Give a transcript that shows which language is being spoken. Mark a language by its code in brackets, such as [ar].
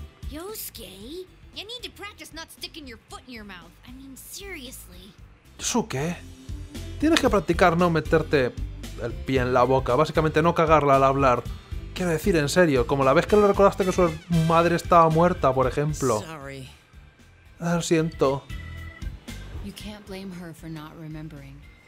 [en] Yosuke, you need to practice not sticking your foot in your mouth. I mean, seriously. [es] Yosuke, tienes que practicar no meterte el pie en la boca, básicamente no cagarla al hablar. Quiero decir, en serio, como la vez que le recordaste que su madre estaba muerta, por ejemplo. [en] Sorry. [es] Lo siento. [en] You can't blame her for not remembering.